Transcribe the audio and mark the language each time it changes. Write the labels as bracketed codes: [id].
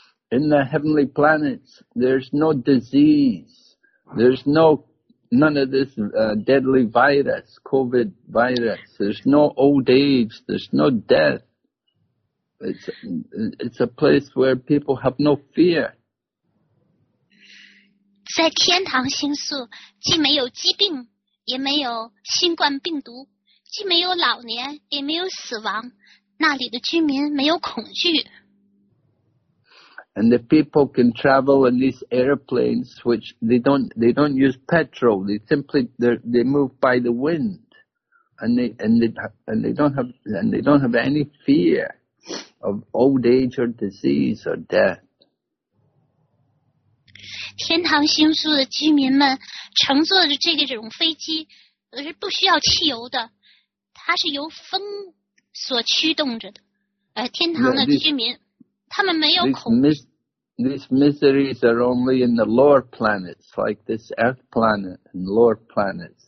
[en] In the heavenly planets, there's no disease. There's none of this deadly virus, COVID virus. There's no old age. There's no death. It's a place where people have no fear. [zh] 在天堂星宿，既没有疾病，也没有新冠病毒，既没有老年，也没有死亡。那里的居民没有恐惧。 [en] And the people can travel in these airplanes, which they don't use petrol. They simply they move by the wind, and they don't have any fear of old age or disease or death. [zh] 天堂星宿的居民们乘坐着这种飞机，是不需要汽油的，它是由风所驱动着的。天堂的居民， [en] yeah, these, [zh] 他们没有恐惧。 [en] These miseries are only in the lower planets, like this earth planet and lower planets.